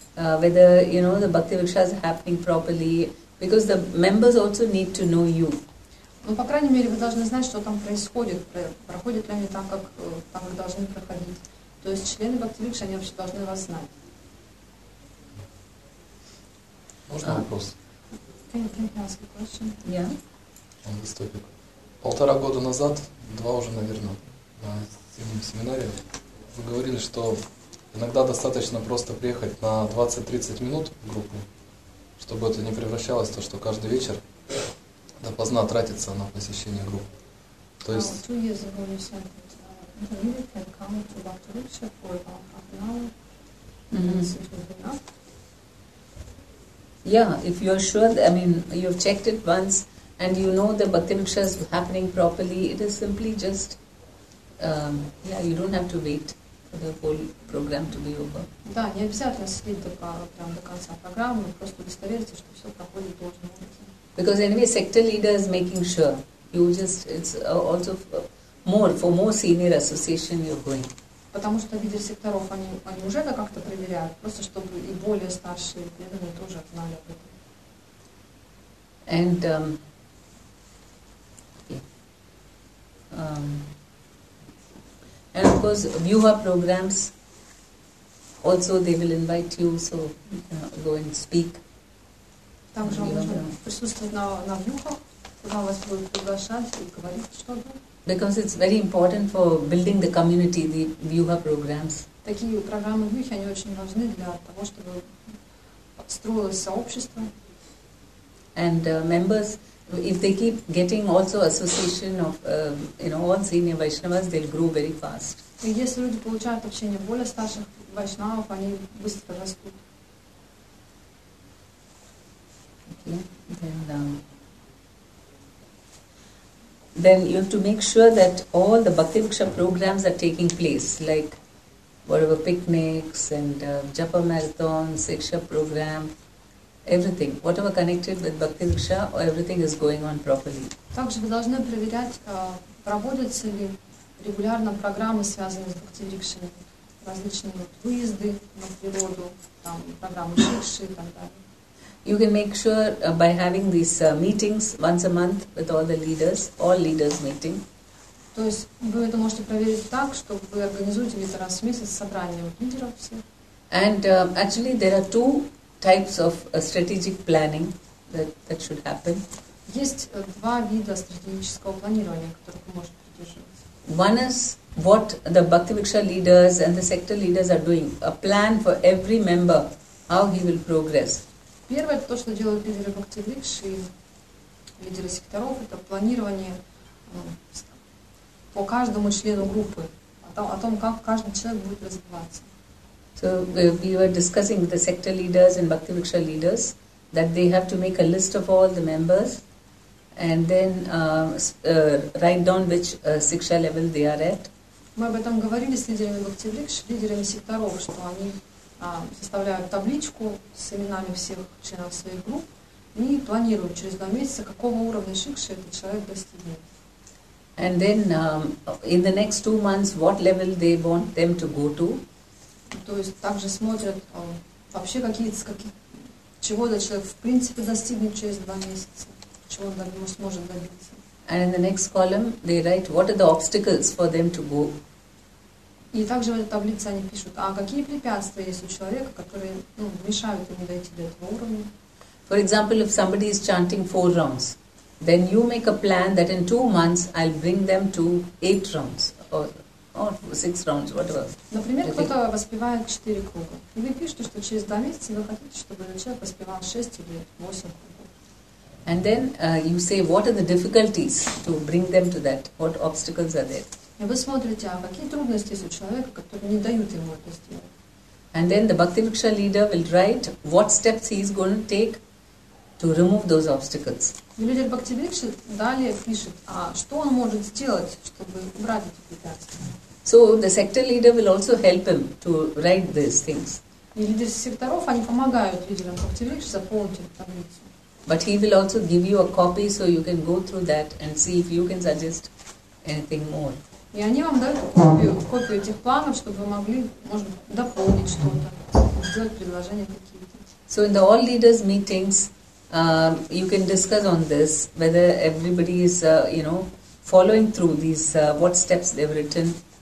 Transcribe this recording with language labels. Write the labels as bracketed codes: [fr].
[en] Whether you know the bhakti viksha is happening properly, because the members also need to know you. [ru] Ну, по крайней мере, вы должны знать, что там происходит, проходит ли они так, как там вы должны проходить. То есть члены бхакти виксха они вообще должны вас знать. Можно вопрос? [en] Can you ask a question? Yeah. [ru] Полтора года назад, два уже, наверное, на семинаре вы говорили, что иногда достаточно просто приехать на 20-30 минут в группу, чтобы это не превращалось в то, что каждый вечер допоздна тратится на посещение группы. То есть... [en] 2 years ago you said that you can come to Bhakti Viksha for about half an hour. Mm-hmm. Yeah, if you are sure, I mean, you have checked it once and you know the Bhakti Viksha is happening properly, it is simply just, yeah, you don't have to wait for the whole program to be over. [ru] Да, не обязательно сидеть до конца программы, просто удостовериться, что все проходит должным образом. [en] Because anyway, sector leader is making sure. You just, it's also for more senior association you're going. [ru] Потому что лидеры секторов, они уже это как-то проверяют, просто чтобы и более старшие преданные тоже знали об этом. [en] And, and of course, Vyuha programs, also they will invite you, so go and speak. [ru] Также можно присутствовать на Вьюхах, куда вас будут приглашать и говорить что-то. [en] Because it's very important for building the community, the Vyuha programs. [ru] Такие программы Vyuha, они очень важны для того, чтобы строилось сообщество. [en] And members, if they keep getting also association of, you know, all senior Vaishnavas, they'll grow very fast. [ru] И если люди получают общение более старших Вайшнавов, они быстро растут. [en] Okay, then... Then you have to make sure that all the Bhakti Viksha programs are taking place, like whatever picnics and japa marathons, siksha program, everything, whatever connected with Bhakti Viksha, everything is going on properly. [ru] Также вы должны проверять, проводятся ли регулярно программы, связанные с Bhakti Viksha, различные выезды на природу, там программы сикши и так [en] You can make sure by having these meetings once a month with all leaders meeting. [ru] То есть вы это можете проверить так, что вы организуете где-то раз в месяц собрание лидеров всех. [en] And actually there are two types of strategic planning that should happen. [ru] Есть два вида стратегического планирования, которых вы можете придерживаться. [en] One is what the Bhakti Viksha leaders and the sector leaders are doing. A plan for every member, how he will progress. [ru] Первое, это то, что делают лидеры Бхакти Викши, лидеры секторов, это планирование по каждому члену группы, о том, как каждый человек будет развиваться. [en] So we were discussing with the sector leaders and Bhakti Viksha leaders that they have to make a list of all the members and then write down which siksha level they are at. [ru] Мы об этом говорили с лидерами Бхакти Викши, лидерами секторов, что они составляют табличку с именами всех членов своих групп и планируют через два месяца, какого уровня шикши этот человек достигнет. [en] And then in the next two months, what level they want them to go to? [ru] То есть также смотрят вообще чего этот человек в принципе достигнет через два месяца, чего он сможет добиться. [en] And in the next column, they write what are the obstacles for them to go. [ru] И также в этой таблице они пишут, а какие препятствия есть у человека, которые мешают ему дойти до этого уровня. [en] For example, if somebody is chanting four rounds, then you make a plan that in two months I'll bring them to eight rounds or six rounds, whatever. [ru] Например, кто-то воспевает четыре круга. И вы пишете, что через два месяца вы хотите, чтобы этот человек воспевал шесть или восемь кругов. [en] And then you say, what are the difficulties to bring them to that? What obstacles are there? [ru] И вы смотрите, а какие трудности есть у человека, которые не дают ему это сделать. [en] And then the Bhakti Viksha leader will write what steps he is going to take to remove those obstacles. [ru] И лидер Бхакти Викши далее пишет, а что он может сделать, чтобы убрать эти препятствия. [en] So the sector leader will also help him to write these things. [ru] И лидеры секторов, они помогают лидерам Бхакти Викши заполнить эту таблицу. [en] But he will also give you a copy so you can go through that and see if you can suggest anything more. [ru] И они вам дают копию этих планов, чтобы вы могли, может, дополнить что-то, сделать предложения какие-то. [en] So in the all leaders meetings, you can discuss on this, whether everybody is, you know, following through these, what steps they've written.